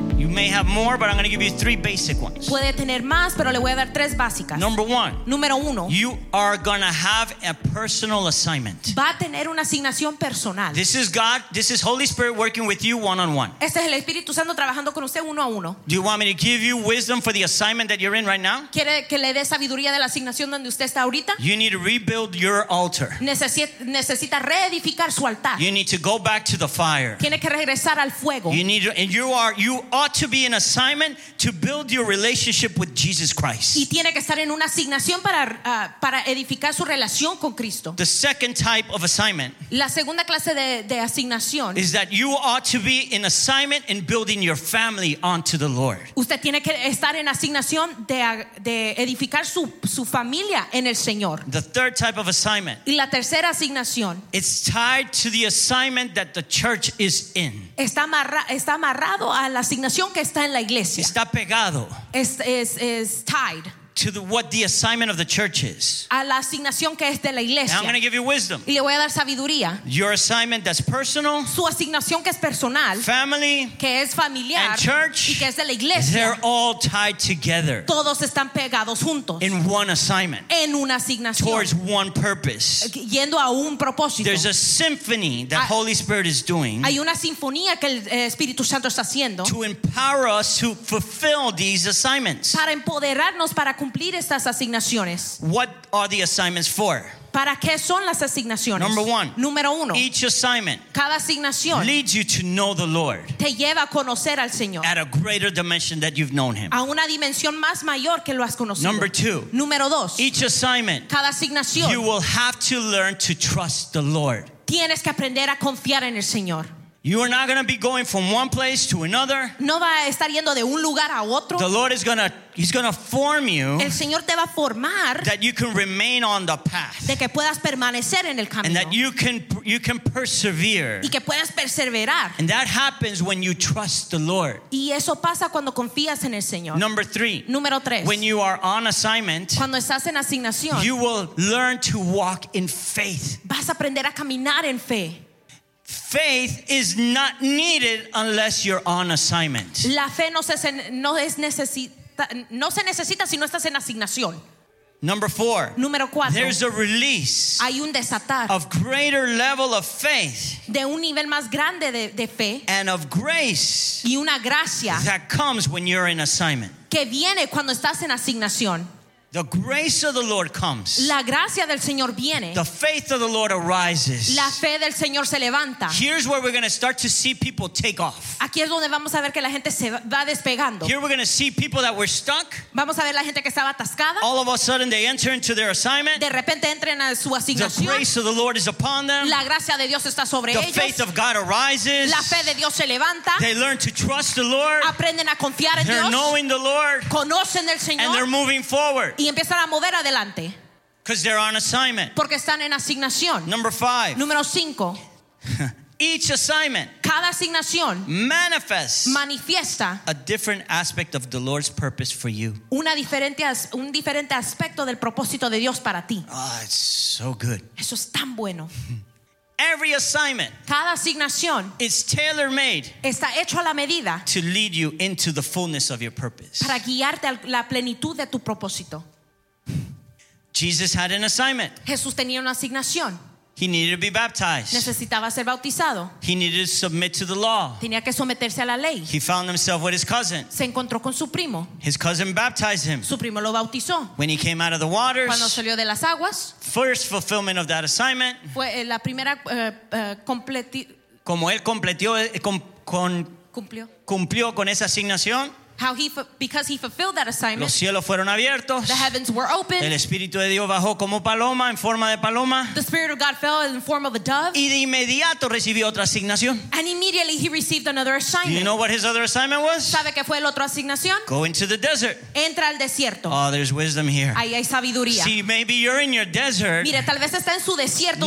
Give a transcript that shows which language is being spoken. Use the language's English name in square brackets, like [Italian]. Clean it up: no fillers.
[English] may have more, but I'm going to give you three basic ones. [Spanish] Puede tener más, pero le voy a dar tres básicas. [English] Number one. [Spanish] Número uno. [English] You are going to have a personal assignment. [Spanish] Va a tener una asignación personal. [English] This is God. This is Holy Spirit working with you one on one. [Spanish] Este es el Espíritu Santo trabajando con usted uno a uno. [English] Do you want me to give you wisdom for the assignment that you're in right now? [Spanish] ¿Quiere que le dé sabiduría de la asignación donde usted está ahorita? [English] You need to rebuild your altar. [Spanish] Necesita reedificar su altar. [English] You need to go back to the fire. [Spanish] Tiene que regresar al fuego. [English] You need to, and you ought to be in assignment to build your relationship with Jesus Christ. [Spanish] Y tiene que estar en una asignación para edificar su relación con Cristo. [English] The second type of assignment. [Spanish] La segunda clase de asignación. [English] Is that you ought to be in assignment in building your family onto the Lord. [Spanish] Usted tiene que estar en asignación de edificar su familia en el Señor. [English] The third type of assignment. [Spanish] Y la tercera asignación. [English] It's tied to the assignment that the church is in. [Spanish] Está amarrado a la asignación que está en la iglesia. Está pegado. Es tied. [English] To the, what the assignment of the church is. [Spanish] A la asignación que es de la iglesia. [English] And I'm going to give you wisdom. [Spanish] Y le voy a dar sabiduría. [English] Your assignment that's personal. [Spanish] Su asignación que es personal. [English] Family. [Spanish] Que es familiar. [English] And church. [Spanish] Y que es de la iglesia. [English] They're all tied together. [Spanish] Todos están pegados juntos. [English] In one assignment. [Spanish] En una asignación. [English] Towards one purpose. [Spanish] Yendo a un propósito. [English] There's a symphony that Holy Spirit is doing. [Spanish] Hay una sinfonía que el Espíritu Santo está haciendo. [English] To empower us to fulfill these assignments. [Spanish] Para empoderarnos para cumplir estas asignaciones. [English] What are the assignments for? [Spanish] ¿Para qué son las asignaciones? [English] Number one. [Spanish] Número uno. [English] Each assignment. [Spanish] Cada asignación. [English] Leads you to know the Lord. [Spanish] Te lleva a conocer al Señor. [English] At a greater dimension that you've known Him. [Spanish] A una dimensión más mayor que lo has conocido. [English] Number two. [Spanish] Número dos. [English] Each assignment. [Spanish] Cada asignación. [English] You will have to learn to trust the Lord. [Spanish] Tienes que aprender a confiar en el Señor. [English] You are not going to be going from one place to another. [Spanish] No va a estar yendo de un lugar a otro. [English] The Lord is going to. He's going to form you. [Spanish] El Señor te va a formar. [English] That you can remain on the path. [Spanish] De que puedas permanecer en el camino. [English] And that you can persevere. [Spanish] Y que puedas perseverar. [English] And that happens when you trust the Lord. [Spanish] Y eso pasa cuando confías en el Señor. [English] Number three. [Spanish] Número tres. [English] When you are on assignment. [Spanish] Cuando estás en asignación. [English] You will learn to walk in faith. [Spanish] Vas a aprender a caminar en fe. [English] Faith is not needed unless you're on assignment. [Spanish] La fe no se necesita si no estás en asignación. [English] Number four. [Spanish] Número cuatro. [English] There's a release. [Spanish] Hay un desatar. [English] Of greater level of faith. [Spanish] De un nivel más grande de fe. [English] And of grace. [Spanish] Y una gracia. [English] That comes when you're in assignment. [Spanish] Que viene cuando estás en asignación. [English] The grace of the Lord comes. [Spanish] La gracia del Señor viene. [English] The faith of the Lord arises. [Spanish] La fe del Señor se levanta. [English] Here's where we're going to start to see people take off. [Spanish] Aquí es donde vamos a ver que la gente se va despegando. [English] Here we're going to see people that were stuck. [Spanish] Vamos a ver la gente que estaba atascada. [English] All of a sudden they enter into their assignment. [Spanish] De repente entran a su asignación. [English] The grace of the Lord is upon them. [Spanish] La gracia de Dios está sobre [English] the [Spanish] ellos. [English] The faith of God arises. [Spanish] La fe de Dios se levanta. [English] They learn to trust the Lord. [Spanish] Aprenden a confiar en Dios. [English] They're knowing the Lord. [Spanish] Conocen al Señor. [English] And they're moving forward. [Spanish] Y empiezan a mover adelante. [English] Because they're on assignment. [Spanish] Porque están en asignación. [English] Number five. [Spanish] Número cinco. [English] Each assignment. [Spanish] Cada asignación. [English] Manifests. [Spanish] Manifiesta. [English] A different aspect of the Lord's purpose for you. [Spanish] Un diferente aspecto del propósito de Dios para ti. [English] Ah, it's so good. [Spanish] Eso es tan bueno. [English] Every assignment. [Spanish] Cada asignación. [English] Is tailor-made. [Spanish] Está hecho a la medida. [English] To lead you into the fullness of your purpose. [Spanish] Para guiarte a la plenitud de tu propósito. [English] Jesus had an assignment. [Spanish] Jesús tenía una asignación. [English] He needed to be baptized. [Spanish] Necesitaba ser bautizado. [English] He needed to submit to the law. [Spanish] Tenía que someterse a la ley. [English] He found himself with his cousin. [Spanish] Se encontró con su primo. [English] His cousin baptized him. [Spanish] Su primo lo bautizó. [English] When he came out of the waters. [Spanish] Cuando salió de las aguas. [English] First fulfillment of that assignment. [Spanish] Fue la primera completi. Como él completió con cumplió. Cumplió con esa asignación. [English] How because he fulfilled that assignment. [Spanish] Los cielos fueron abiertos. [English] The heavens were open. [Spanish] El Espíritu de Dios bajó como paloma, en forma de paloma. [English] The Spirit of God fell in the form of a dove. [Spanish] Y de inmediato recibió otra asignación. [English] And immediately he received another assignment. Do you know what his other assignment was? [Spanish] ¿Sabe qué fue la otra asignación? [English] Go into the desert. [Spanish] Entra al desierto. [English] Oh, there's wisdom here. [Spanish] Ahí hay sabiduría. [English] See, maybe you're in your desert. [Spanish] Mire, tal vez está en su desierto